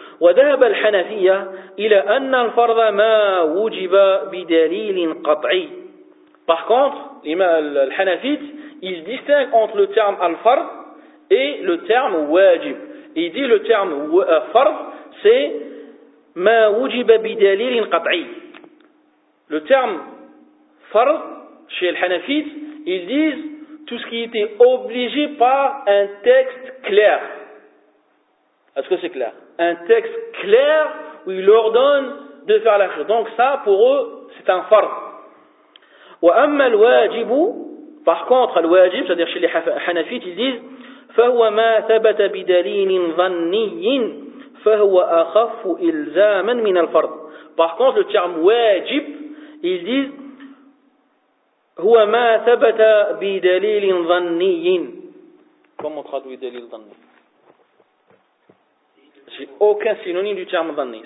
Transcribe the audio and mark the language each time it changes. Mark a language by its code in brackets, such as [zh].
[ar] وذهب الحنفية إلى أن الفرض ما وجب بدليل قطعي. [fr] Par contre, الحنفية il distingue entre le terme al-fard et le terme wajib. Il dit le terme fard c'est [ar] ما وجب بدليل قطعي. [fr] Le terme fard chez الحنفية ils disent tout ce qui était obligé par un texte clair. Est-ce que c'est clair? Un texte clair où il ordonne de faire la chose. Donc ça, pour eux, c'est un fard. [ar] وَأَمَّا الْوَاجِبُ [fr] Par contre, [ar] الْوَاجِبُ, [fr] c'est-à-dire chez les Hanafites, ils disent [ar] فَهُوَ مَا ثَبَتَ بِدَلِيلٍ ظَنِّيٍ فَهُوَ أَخَفُ إِلْزَامًا مِنَ الْفَرْضِ. [fr] Par contre, le terme wajib, ils disent [ar] هُوَ مَا ثَبَتَ بِدَلِيلٍ ظَنِّيٍ. [fr] Comment traduit [ar] دَلِيلٍ ظَنِّيٍ? [fr] C'est aucun synonyme du terme d'année.